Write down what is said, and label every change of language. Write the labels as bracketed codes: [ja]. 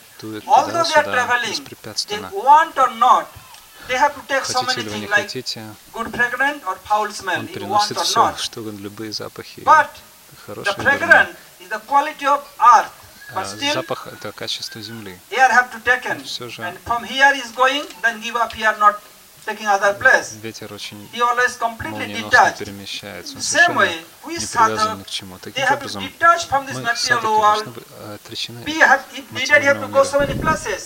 [ru] дует туда-сюда беспрепятственно. Хотите или вы не хотите, он переносит все, что угодно, любые запахи, хорошие или дурные. Запах – это качество земли. Все же. [en] And from here is going, then give up here, not taking other place. [ru] Ветер очень молниеносно перемещается. Он совершенно не привязан ни к чему. Таким образом, мы садхаки должны быть отречены от материального мира.